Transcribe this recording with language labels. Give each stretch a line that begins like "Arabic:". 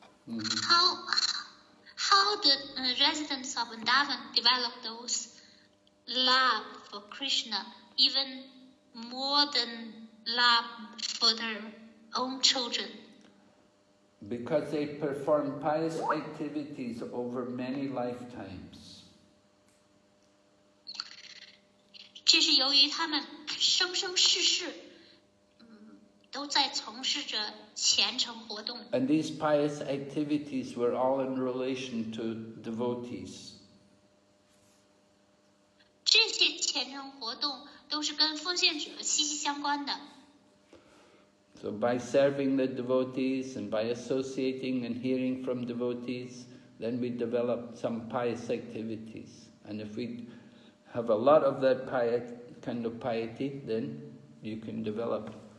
English: How the residents of Vrindavan develop those love for Krishna even more than love for their own children? Because they perform pious activities over many lifetimes.
Chinese: 这是由于他们生生世世都在从事着虔诚活动。
English: And these pious activities were all in relation to devotees.
Chinese: 这些虔诚活动都是跟奉献者息息相关的。
English: So by serving the devotees and by associating and hearing from devotees, then we develop some pious activities. And if we have a lot of that piety, then you can develop.